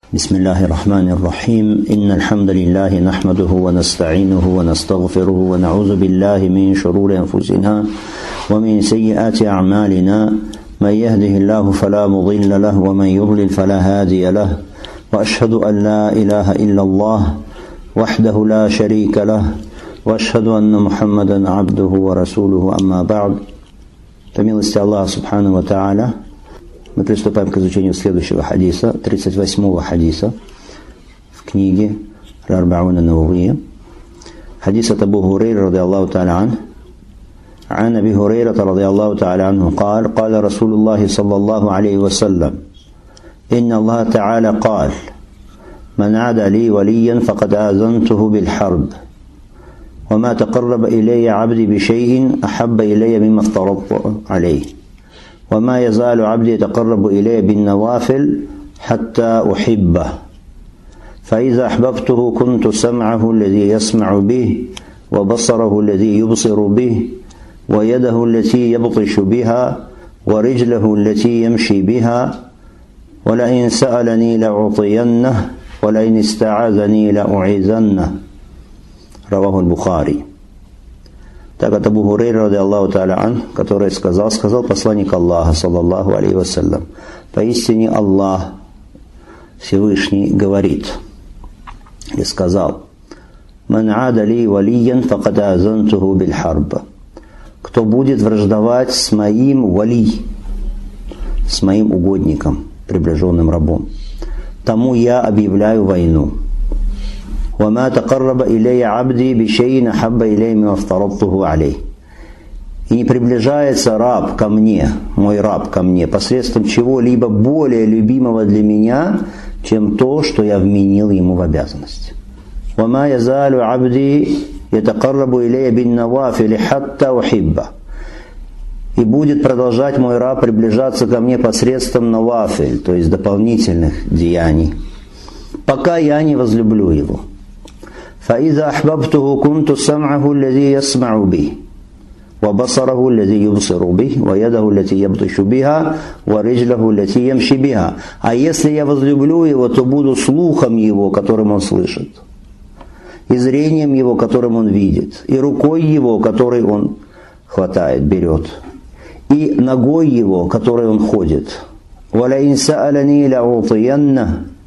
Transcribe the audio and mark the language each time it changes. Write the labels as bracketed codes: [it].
[ar] بسم الله الرحمن الرحيم إن الحمد لله نحمده ونستعينه ونستغفره ونعوذ بالله من شرور أنفسنا ومن سيئات أعمالنا من يهده الله فلا مضل له ومن يضلل فلا هادي له وأشهد أن لا إله إلا الله وحده لا شريك له وأشهد أن محمدا عبده ورسوله أما بعد فبمشيئة الله سبحانه وتعالى [ru] Мы приступаем к изучению следующего хадиса, 38-го хадиса в книге Рарбауна Навуия. Хадис от Абу Хурейры [ar] رضي الله تعالى عنه. عن أبي هريرة رضي الله تعالى عنه قال: قال رسول الله صلى الله عليه وسلم: إن الله تعالى قال: من عادى لي وليا فقد آذنته بالحرب. وما تقرب إلي عبدي بشيء أحب إلي مما افترضت عليه. وما يزال عبدي يتقرب إليه بالنوافل حتى أحبه فإذا أحببته كنت سمعه الذي يسمع به وبصره الذي يبصر به ويده التي يبطش بها ورجله التي يمشي بها ولئن سألني لأعطينه ولئن استعاذني لأعيذنه رواه البخاري. [ru] Так от Абу Хурейры [ar] رضي الله تعالى عنه, [ru] который сказал посланник Аллаха, саллаллаху алейхи вассалям: поистине Аллах Всевышний говорит и сказал: «Ман ада ли валиян, факад азантуху бильхарб». Кто будет враждовать с моим вали, с моим угодником, приближенным рабом, тому я объявляю войну. [ar] وما تقرب إلي عبدي بشيء أحب إلي مما افترضته عليه. [ru] И не приближается раб ко мне, мой раб ко мне, посредством чего-либо более любимого для меня, чем то, что я вменил ему в обязанности. [ar] وما يزال عبدي يتقرب إلي بالنوافل حتى أحبه. [ru] И будет продолжать мой раб приближаться ко мне посредством навафель, то есть дополнительных деяний, пока я не возлюблю его. [ar] فإذا أحببته كنت سمعه الذي يسمع به وبصره الذي يبصر به ويده التي يبطش بها ورجله التي يمشي بها. [ru] А если я возлюблю его, то буду слухом его, которым он слышит, и зрением его, которым он видит, и рукой его, которой он хватает, берет, и ногой его, которой он ходит. [ar] ولئن سألني لأعطينه.